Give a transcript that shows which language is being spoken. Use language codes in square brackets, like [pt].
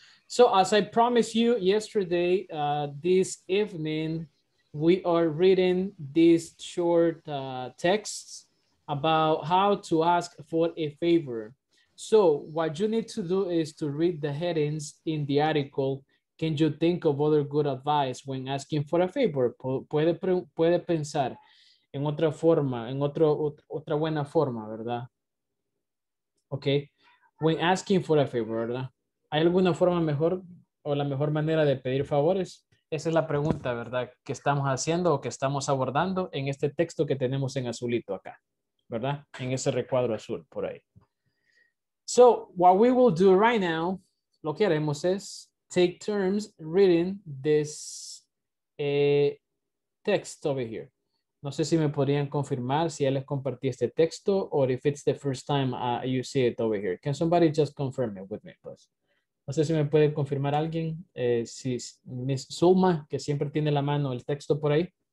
[en] So as I promised you yesterday, this evening, we are reading these short texts about how to ask for a favor. So what you need to do is to read the headings in the article. Can you think of other good advice when asking for a favor? [es] Puede pensar en otra forma, en otra buena forma, ¿verdad? Okay. [en] When asking for a favor, [es] ¿verdad? ¿Hay alguna forma mejor o la mejor manera de pedir favores? Esa es la pregunta, ¿verdad? Que estamos haciendo o que estamos abordando en este texto que tenemos en azulito acá, ¿verdad? En ese recuadro azul por ahí. [en] So, what we will do right now, [es] lo que haremos es [en] take turns reading this text over here. [es] No sé si me podrían confirmar si ya les compartí este texto [en] or if it's the first time you see it over here. Can somebody just confirm it with me, please? [es] No sé si me puede confirmar alguien, si es Miss Zulma, que siempre tiene la mano el texto por ahí.